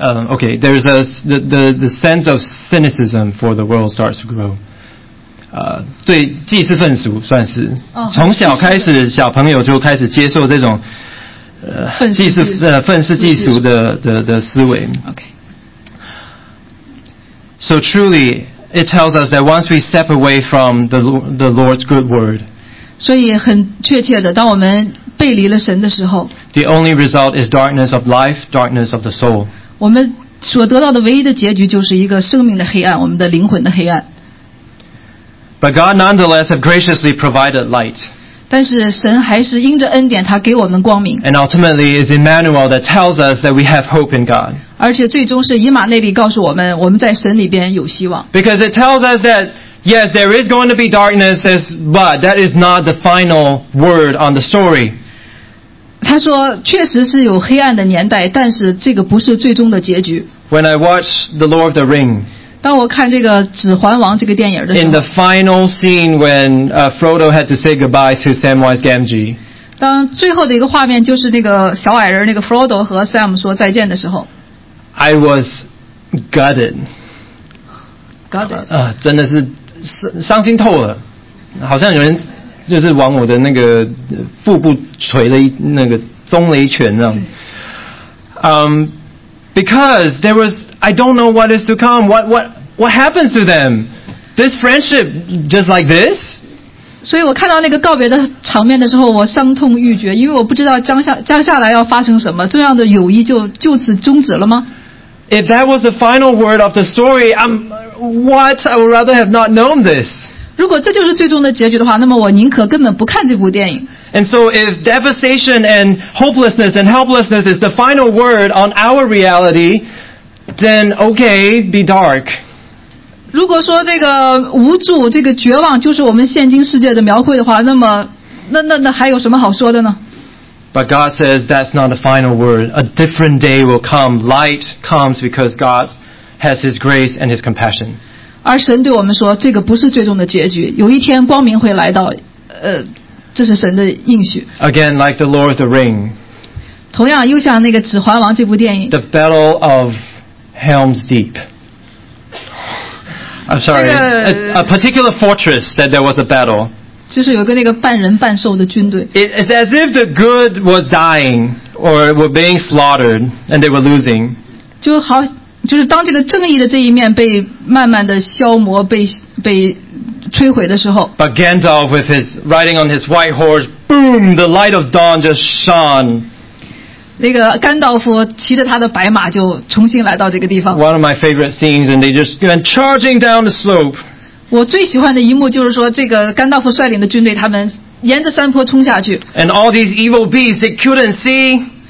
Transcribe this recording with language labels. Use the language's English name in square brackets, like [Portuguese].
[English] Okay, there's the sense of cynicism for the world starts to grow. [Chinese] 对，祭祀愤俗算是。从小开始，小朋友就开始接受这种愤世嫉俗的思维。 [English] Okay. So truly, it tells us that once we step away from the Lord's good word, [Chinese] 所以很确切的，当我们背离了神的时候， [English] the only result is darkness of life, darkness of the soul. [Chinese] 我们所得到的唯一的结局就是一个生命的黑暗，我们的灵魂的黑暗。 [English] But God nonetheless have graciously provided light. [Chinese] 但是神还是因着恩典，他给我们光明。 [English] And ultimately, it's Emmanuel that tells us that we have hope in God. [Chinese] 而且最终是以马内利告诉我们，我们在神里边有希望。 [English] Because it tells us that. Yes, there is going to be darkness, but that is not the final word on the story. [Chinese] 他说确实是有黑暗的年代，但是这个不是最终的结局。 [English] When I watch The Lord of the Ring, [Chinese] 当我看这个《指环王》这个电影的时候， [English] in the final scene when Frodo had to say goodbye to Samwise Gamgee, [Chinese] 当最后的一个画面就是那个小矮人那个 Frodo 和 Sam 说再见的时候， [English] I was gutted. [Chinese] 真的是伤心透了，好像有人就是往我的那个腹部捶了一那个中了一拳那样。 [English] Because there was, I don't know what is to come. What happens to them? This friendship just like this? [Chinese] 所以我看到那个告别的场面的时候，我伤痛欲绝，因为我不知道将下来要发生什么，这样的友谊就此终止了吗？ [English] If that was the final word of the story, I would rather have not known this. [Chinese] 如果这就是最终的结局的话，那么我宁可根本不看这部电影。 [English] And so if devastation and hopelessness and helplessness is the final word on our reality, then okay, be dark. [Chinese] 如果说这个无助、这个绝望就是我们现今世界的描绘的话，那么那还有什么好说的呢？ [English] But God says that's not the final word. A different day will come. Light comes because God has His grace and His compassion. [Chinese] 而神对我们说，这个不是最终的结局。有一天光明会来到，这是神的应许。 [English] Again, like the Lord of the Ring. [Chinese] 同样又像那个《指环王》这部电影。 [English] The Battle of Helm's Deep. I'm sorry. A particular fortress that there was a battle. [Chinese] 就是有个那个半人半兽的军队。 [English] It's as if the good was dying or were being slaughtered and they were losing. [Chinese] 就是当这个正义的这一面被慢慢的消磨，被摧毁的时候。 [English] But Gandalf, with his riding on his white horse, boom! The light of dawn just shone. [Chinese] 那个甘道夫骑着他的白马就重新来到这个地方。 [English] One of my favorite scenes, and they just went charging down the slope. [Chinese] 我最喜欢的一幕就是说，这个甘道夫率领的军队，他们沿着山坡冲下去。 [English] And all these evil beasts they couldn't see.